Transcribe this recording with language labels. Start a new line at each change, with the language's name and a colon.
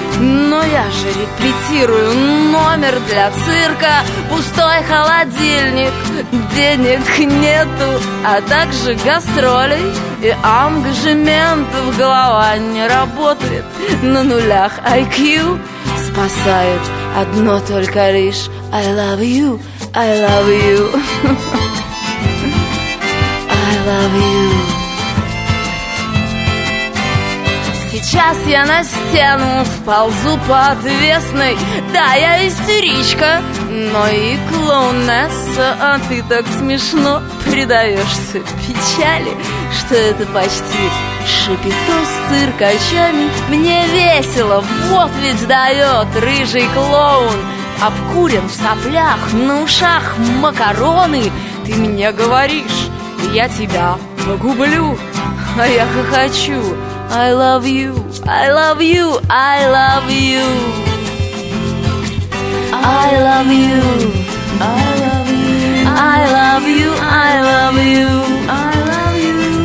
Russian: Но я же репетирую номер для цирка. Пустой холодильник, денег нету. А также гастролей и ангажементов. Голова не работает, на нулях IQ. Спасает одно только лишь
English: I love you, I love you, I love you.
Russian: Сейчас я на стену вползу по отвесной. Да, я истеричка, но и клоунесса. А ты так смешно предаешься печали, что это почти шипито с циркачами. Мне весело, вот ведь дает рыжий клоун. Обкурен в соплях, на ушах макароны. Ты мне говоришь, я тебя погублю. А я хохочу
English: «I love you, I love you, I love you, I love you, I love you, I love you, I love you, I love you, I